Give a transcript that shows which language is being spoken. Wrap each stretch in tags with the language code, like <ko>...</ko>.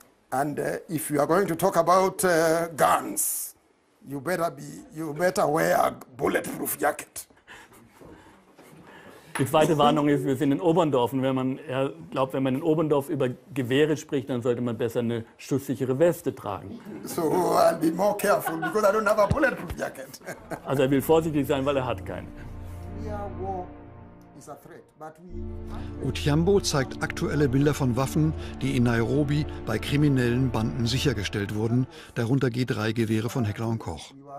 <en>And if you are going to talk about guns, you better wear a bulletproof jacket.</en> <de>Die zweite Warnung ist, wir sind in Oberndorf. Und wenn man glaubt, wenn man in Oberndorf über Gewehre spricht, dann sollte man besser eine schusssichere Weste tragen.</de> <en>So, I'll be more careful, because I don't have a bulletproof jacket.</en> <de>Also er will vorsichtig sein, weil er hat keinen. Otyambo zeigt aktuelle Bilder von Waffen, die in Nairobi bei kriminellen Banden sichergestellt wurden, darunter G3-Gewehre von Heckler und Koch.</de>